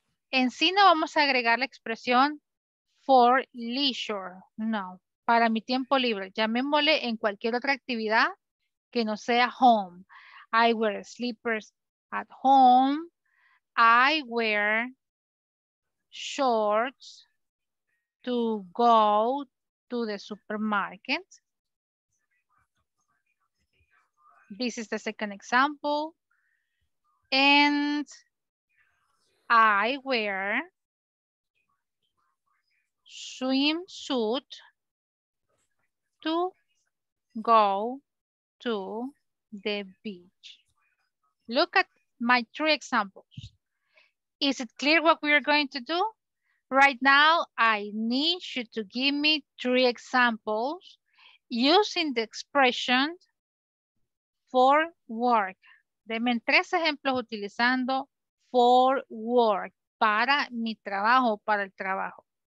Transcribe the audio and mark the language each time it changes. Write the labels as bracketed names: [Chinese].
[Spanish] En sí no vamos a agregar la expresión [English] for leisure, [Spanish] no. Para mi tiempo libre, llamémosle en cualquier otra actividad que no sea home. [English] I wear slippers at home. I wear shorts to go to the supermarket. This is the second example. And I wear swimsuit to go to the beach. Look at my three examples. Is it clear what we are going to do? Right now, I need you to give me three examples using the expression for work. [Spanish] Deme tres ejemplos utilizando [English] for work, [Spanish] para mi trabajo, para el trabajo.